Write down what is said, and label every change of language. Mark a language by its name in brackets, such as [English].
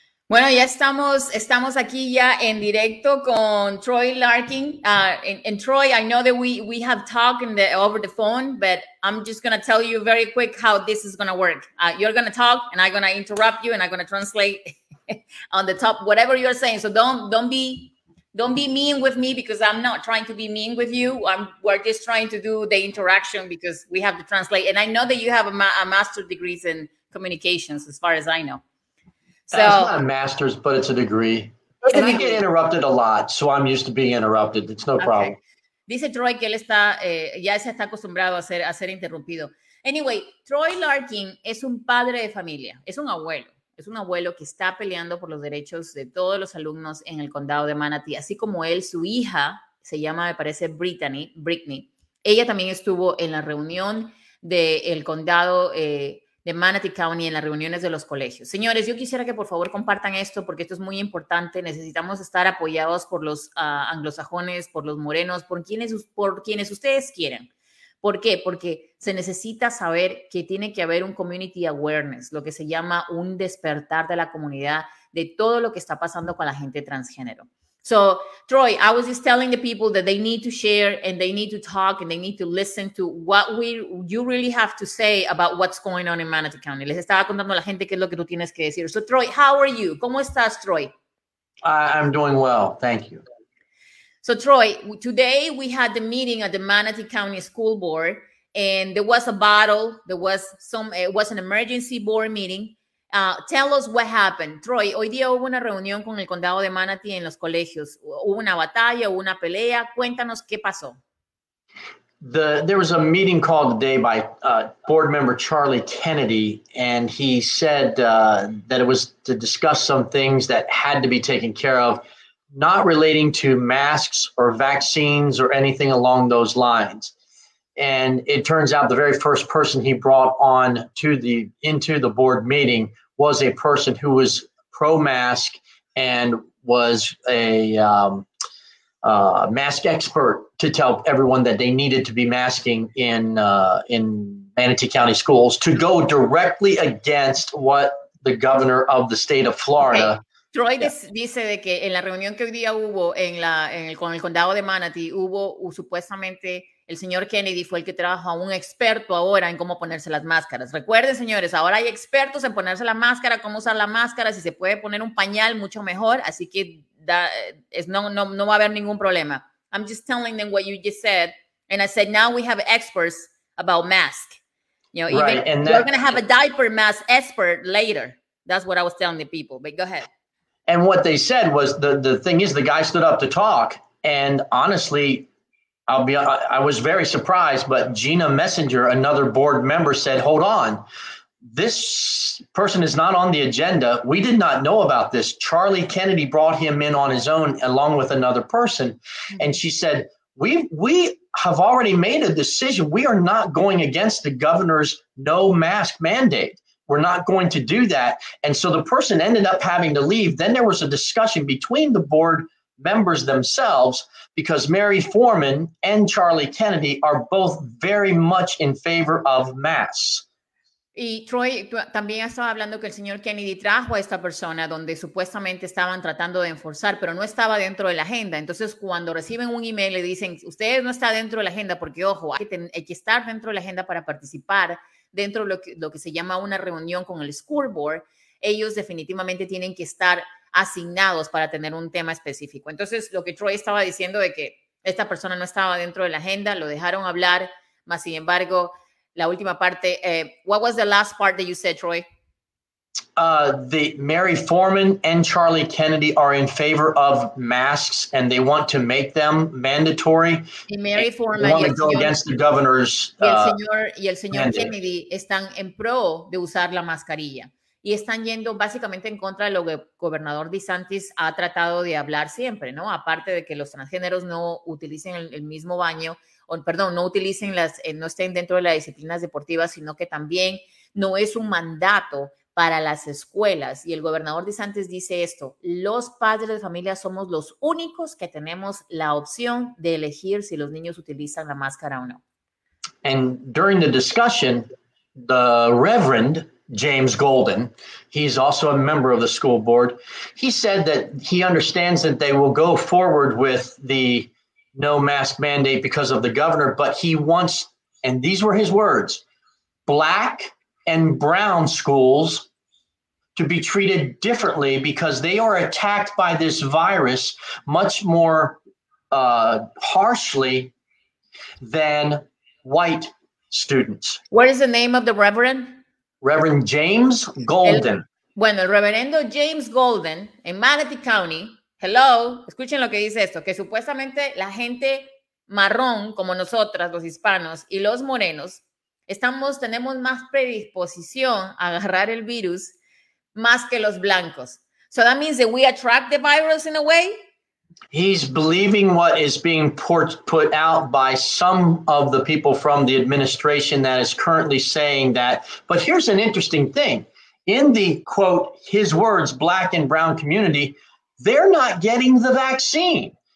[Spanish] Estamos aquí ya en directo con Troy Larkin. [English] And Troy, I know that we have talked over the phone, but I'm just going to tell you very quick how this is going to work. You're going to talk and I'm going to interrupt you and I'm going to translate on the top whatever you're saying. So don't be mean with me, because I'm not trying to be mean with you. We're just trying to do the interaction because we have to translate. And I know that you have a master's degree in communications, as far as I know. So, it's not a master's, but it's a degree. And I get interrupted a lot, so I'm used to being interrupted. It's no problem. [Spanish] Dice Troy que él está, ya se está acostumbrado a ser interrumpido. Anyway, Troy Larkin es un padre de familia, es un abuelo. Es un abuelo que está peleando por los derechos de todos los alumnos en el condado de Manatee. Así como él, su hija se llama, me parece, Brittany. Ella también estuvo en la reunión del condado de Manatee County, en las reuniones de los colegios. Señores, yo quisiera que por favor compartan esto, porque esto es muy importante. Necesitamos estar apoyados por los anglosajones, por los morenos, por quienes ustedes quieran. ¿Por qué? Porque se necesita saber que tiene que haber un [English] community awareness, [Spanish] lo que se llama un despertar de la comunidad de todo lo que está pasando con la gente transgénero. [English] So, Troy, I was just telling the people that they need to share and they need to talk and they need to listen to what you really have to say about what's going on in Manatee County. [Spanish] Les estaba contando a la gente qué es lo que tú tienes que decir. [English] So, Troy, how are you? [Spanish] ¿Cómo estás, Troy? [English] I'm doing well. Thank you. So, Troy, today we had the meeting at the Manatee County School Board, and there was a battle. It was an emergency board meeting. Tell us what happened. [Spanish] Troy, hoy día hubo una reunión con el condado de Manatee en los colegios. Hubo una batalla, hubo una pelea. Cuéntanos qué pasó. [English] There was a meeting called today by board member Charlie Kennedy, and he said that it was to discuss some things that had to be taken care of, not relating to masks or vaccines or anything along those lines. And it turns out the very first person he brought on into the board meeting was a person who was pro-mask and was a mask expert to tell everyone that they needed to be masking in Manatee County schools, to go directly against what the governor of the state of Florida. Okay. [Spanish] Troy dice de que en la reunión que hoy día hubo con el condado de Manatee, hubo supuestamente el señor Kennedy fue el que trajo a un experto ahora en cómo ponerse las máscaras. Recuerden, señores, ahora hay expertos en ponerse la máscara, cómo usar la máscara, si se puede poner un pañal, mucho mejor. Así que no va a haber ningún problema. [English] I'm just telling them what you just said. And I said, now we have experts about masks. You know, even right, we're going to have a diaper mask expert later. That's what I was telling the people. But go ahead. And what they said was the thing is, the guy stood up to talk, and honestly, I was very surprised. But Gina Messenger, another board member, said, "Hold on, this person is not on the agenda. We did not know about this. Charlie Kennedy brought him in on his own, along with another person." Mm-hmm. And she said, "We have already made a decision. We are not going against the governor's no mask mandate. We're not going to do that." And so the person ended up having to leave. Then there was a discussion between the board members themselves, because Mary Foreman and Charlie Kennedy are both very much in favor of masks. [Spanish] Y Troy también estaba hablando que el señor Kennedy trajo a esta persona donde supuestamente estaban tratando de enforzar, pero no estaba dentro de la agenda. Entonces, cuando reciben un email, le dicen, ustedes no está dentro de la agenda, porque, ojo, hay que estar dentro de la agenda para participar dentro de lo que se llama una reunión con el school board. Ellos definitivamente tienen que estar asignados para tener un tema específico. Entonces, lo que Troy estaba diciendo de que esta persona no estaba dentro de la agenda, lo dejaron hablar, mas sin embargo, la última parte, [English] what was the last part that you said, Troy? [Spanish] The Mary Foreman and Charlie Kennedy are in favor of masks and they want to make them mandatory. Y Mary Foreman [English] want to go against the governor's [Spanish] y el señor Kennedy están en pro de usar la mascarilla y están yendo básicamente en contra de lo que el gobernador DeSantis ha tratado de hablar siempre, ¿no? Aparte de que los transgéneros no utilicen el mismo baño o perdón, no utilicen las no estén dentro de las disciplinas deportivas, sino que también no es un mandato para las escuelas. Y el gobernador DeSantis dice esto: los padres de familia somos los únicos que tenemos la opción de elegir si los niños utilizan la máscara o no. [English] And during the discussion, the Reverend James Golden, he's also a member of the school board, he said that he understands that they will go forward with the no mask mandate because of the governor, but he wants, and these were his words, black and brown schools to be treated differently because they are attacked by this virus much more harshly than white students. What is the name of the Reverend? Reverend James Golden. [Spanish] Bueno, el reverendo James Golden en Manatee County, hello, escuchen lo que dice esto, que supuestamente la gente marrón, como nosotras, los hispanos y los morenos, tenemos más predisposición a agarrar el virus más que los blancos. [English] So that means that we attract the virus in a way. He's believing what is being put out by some of the people from the administration that is currently saying that. But here's an interesting thing. In the, quote, his words, black and brown community, they're not getting the vaccine.